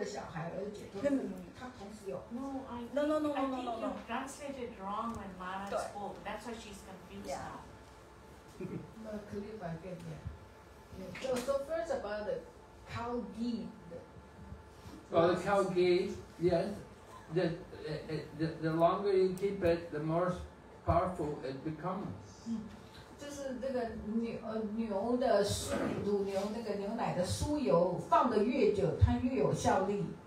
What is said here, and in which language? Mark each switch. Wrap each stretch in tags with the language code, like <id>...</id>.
<zh>奇怪，不是说他要解脱，他也有解脱的愿望，不是为了小孩而解脱，他同时有。</zh> <en>No, I think you translated wrong when Mara spoke. That's why she's confused now. No, clarify again. Yeah. So first about the cow ghee. Well, the cow ghee, yes, the longer you keep it, the more powerful it becomes.</en> <zh>就是那个牛的乳牛那个牛奶的酥油放的越久，它越有效力。</zh>